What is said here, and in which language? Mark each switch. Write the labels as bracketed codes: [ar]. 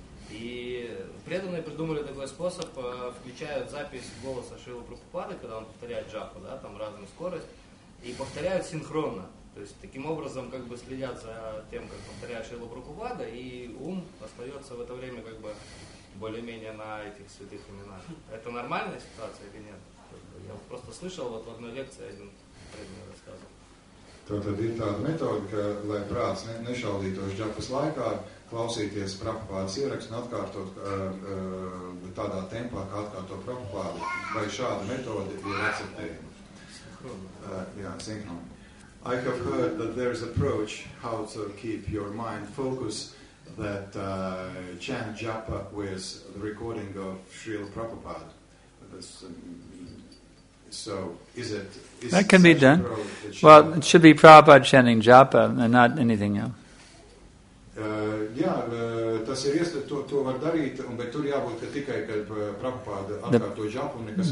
[ru] И преданные придумали такой способ, включают запись голоса Шрилы Прабхупады, когда он повторяет джапу, да, там разную скорость, и повторяют синхронно. То есть таким образом как бы следят за тем, как повторяет Шрила Прабхупада, и ум остается в это время как бы более-менее на этих святых именах. Это нормальная ситуация или нет? Я просто слышал вот в одной лекции один предмет рассказывал. [lv] Tātad ir tāda metoda, ka, lai prāts nešaldītos džapas laikā, klausīties Prabhupādas ierakstu un atkārtot tādā tempā, kā atkārto Prabhupādu. Vai šāda metoda ir akceptējama? Jā, sinkronu. [en] I have heard that there is approach how to keep your mind focused that chant japa with the recording of Srila Prabhupada. So, is it... Is that can be done. Well, it should be Prabhupada chanting japa and not anything else. [lv] Tas ir iespēja, to var darīt, bet tur jābūt ka tikai, kad Prabhupada atkārto japa un nekas...